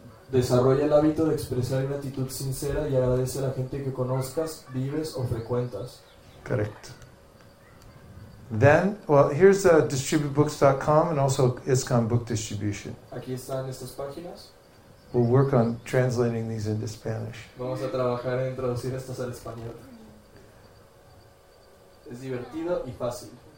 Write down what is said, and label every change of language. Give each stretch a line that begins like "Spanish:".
Spanish: desarrolla el hábito de expresar gratitud sincera y agradece a la gente que conozcas, vives o frecuentas.
English: Correct. Then, well, here's distributebooks.com and also ISKCON Book Distribution.
Spanish: Aquí están estas páginas.
English: We'll work on translating these into Spanish.
Spanish: Vamos a trabajar en traducir estas al español. Es divertido y fácil.